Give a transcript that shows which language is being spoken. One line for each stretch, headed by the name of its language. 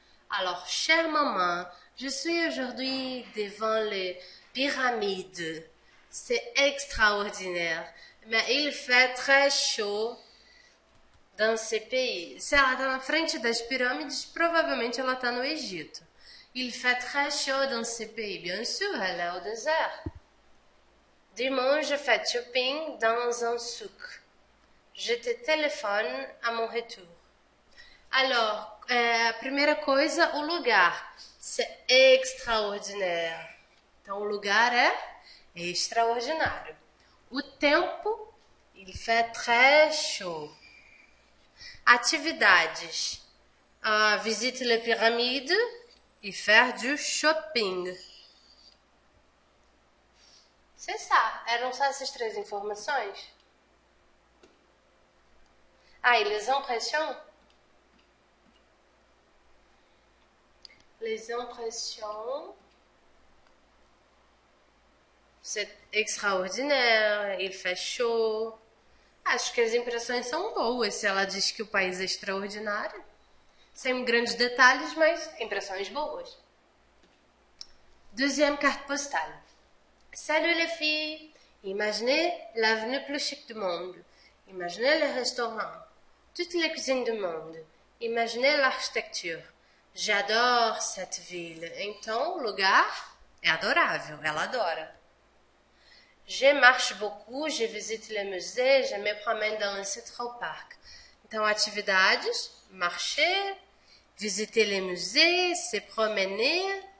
French: Alors, chère maman, je suis aujourd'hui devant les pyramides. C'est extraordinaire, mais il fait très chaud dans ce pays.
Portuguese: Se ela está na frente das pirâmides, provavelmente ela está no Egito.
French: Il fait très chaud dans ce pays. Bien sûr, elle est au désert. Dimanche, je fais shopping dans un souk. Je te téléphone à mon retour.
Portuguese: Alors, primeira coisa, o lugar.
French: C'est extraordinaire.
Portuguese: Então, o lugar é extraordinário. O tempo,
French: il fait très chaud. Atividades. Visite les pyramides e faire du shopping. C'est ça.
Portuguese: Eram só essas três informações?
French: Ah, e les impressions? Les impressions, c'est extraordinaire, il fait chaud.
Portuguese: Acho que as impressões são boas, se ela diz que o país é extraordinário. Sem grandes detalhes, mas impressões boas.
French: Deuxième carte postale. Salut les filles, imaginez l'avenue plus chic du monde. Imaginez les restaurants, toutes les cuisines du monde. Imaginez l'architecture. J'adore cette ville.
Portuguese: Então, o lugar é adorável. Ela adora.
French: Je marche beaucoup, je visite les musées, je me promène dans le Central Park.
Portuguese: Então, atividades,
French: marcher, visiter les musées, se promener.